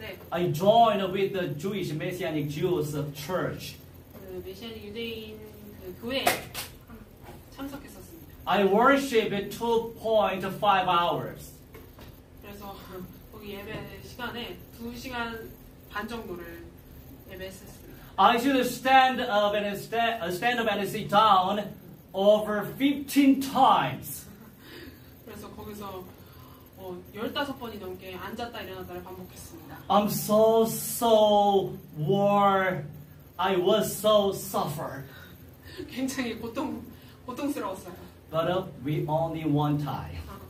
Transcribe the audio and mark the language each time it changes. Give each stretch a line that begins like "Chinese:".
English: I join with the Jewish Messianic Jews of Church.
Korean: 메시아닉 유대인 그 교회 참석했었습니다.
English: I worship 2.5 hours.
Korean: 그래서 거기 예배 시간에 2시간 반 정도를 예배했었습니다.
English: I should stand up and stand up and sit down over 15 times.
Korean: 그래서 거기서 15번이 넘게 앉았다 일어났다를 반복했습니다.
English: I'm so so war. I was so suffer.
Korean: 굉장히 고통스러웠어요.
English: But we only one time.